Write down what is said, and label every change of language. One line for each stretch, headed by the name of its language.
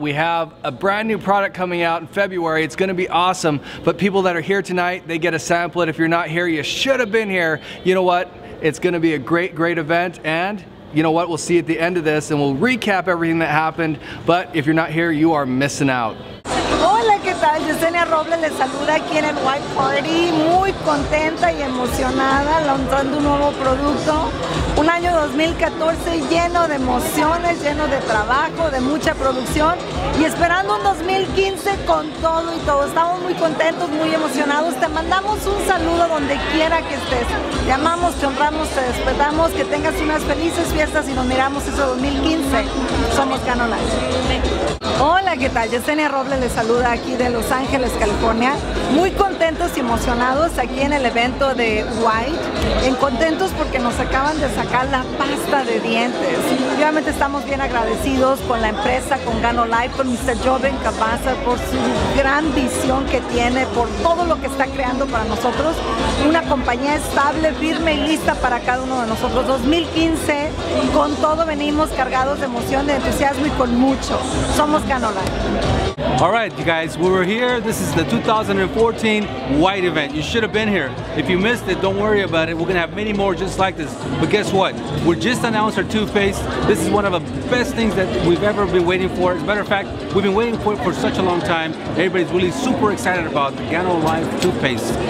English: We have a brand new product coming out in February. It's gonna be awesome, but people that are here tonight, they get a sample. If you're not here, you should have been here. You know what? It's gonna be a great, great event, and you know what? We'll see at the end of this, and we'll recap everything that happened, but if you're not here, you are missing out.
Spanish: Yesenia Robles les saluda aquí en el White Party, muy contenta y emocionada lanzando un nuevo producto. Un año 2014 lleno de emociones, lleno de trabajo, de mucha producción y esperando un 2015 con todo y todo. Estamos muy contentos, muy emocionados. Te mandamos un saludo donde quiera que estés. Te amamos, te honramos, te respetamos. Que tengas unas felices fiestas y nos miramos ese 2015. Somos Ganolife. Hola, ¿qué tal? Yesenia Robles les saluda aquí de Los Ángeles, California. Muy contentos y emocionados aquí en el evento de White. En contentos porque nos acaban de sacar la pasta de dientes. Obviamente estamos bien agradecidos con la empresa, con Ganolife, con Mr. Joven Cabaza, por su gran visión que tiene, por todo lo que está creando para nosotros. Una compañía estable, firme y lista para cada uno de nosotros. 2015, con todo venimos cargados de emoción, de entusiasmo y con mucho. Somos Ganolife.
English: All right, you guys, we were here. This is the 2014 White event. You should have been here. If you missed it, don't worry about it. We're gonna have many more just like this. But guess what? We just announced our toothpaste. This is one of the best things that we've ever been waiting for. As a matter of fact, we've been waiting for it for such a long time. Everybody's really super excited about the Ganolife toothpaste.